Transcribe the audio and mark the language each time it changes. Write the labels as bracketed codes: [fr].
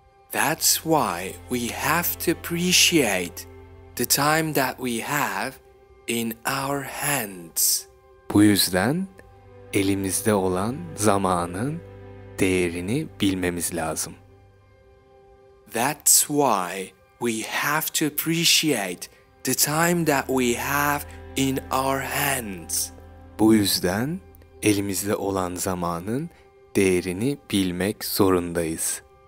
[en] That's why we have to appreciate the time that we have in our hands. [tr] Bu yüzden elimizde olan zamanın değerini bilmemiz lazım. [en] That's why we have to appreciate the time that we have in our hands. [tr] Bu yüzden elimizde olan zamanın değerini bilmek zorundayız.